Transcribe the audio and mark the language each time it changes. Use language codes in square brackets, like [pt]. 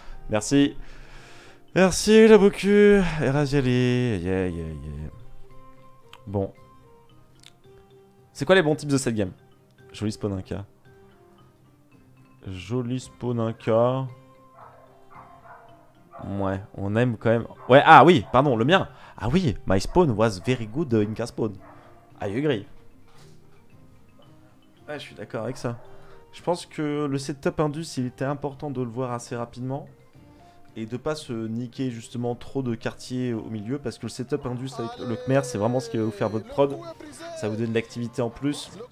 [fr] Merci. Merci Laboku. Eraziali. Yeah, yeah, yeah. Bon. C'est quoi les bons tips de cette game? Joli spawn 1K. Joli spawn 1K. Ouais, on aime quand même. Ouais, ah oui, pardon, le mien. Ah oui, [en] my spawn was very good Inca spawn. I agree. [fr] Ouais, je suis d'accord avec ça. Je pense que le setup Indus, il était important de le voir assez rapidement. Et de pas se niquer justement trop de quartiers au milieu. Parce que le setup Indus avec le Khmer, c'est vraiment ce qui va vous faire votre prod. Ça vous donne de l'activité en plus.